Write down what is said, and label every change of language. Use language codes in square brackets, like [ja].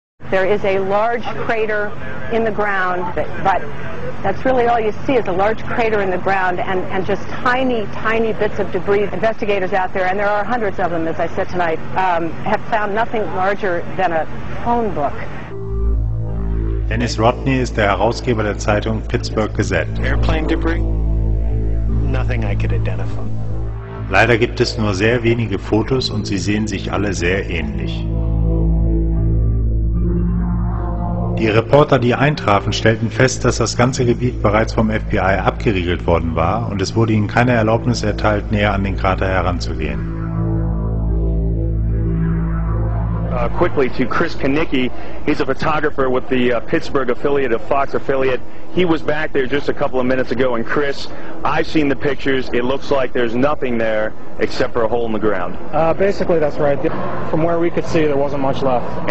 [en] There is a large crater in the ground, but that's really all you see is a large crater in the ground and just tiny, tiny bits of debris. Investigators out there, and there are hundreds of them, as I said tonight, have found nothing larger than a phone book. [de] Dennis Rodney ist der Herausgeber der Zeitung Pittsburgh Gazette. [en] Airplane debris? Nothing I could identify. [de] Leider gibt es nur sehr wenige Fotos und sie sehen sich alle sehr ähnlich. Die Reporter, die eintrafen, stellten fest, dass das ganze Gebiet bereits vom FBI abgeriegelt worden war und es wurde ihnen keine Erlaubnis erteilt, näher an den Krater heranzugehen. [en] Quickly to Chris Kanicki. He's a photographer with the Pittsburgh affiliate, a Fox affiliate. He was back there just a couple of minutes ago, and Chris, I've seen the pictures. It looks like there's nothing there except for a hole in the ground. Basically, that's right. From where we could see, there wasn't much left.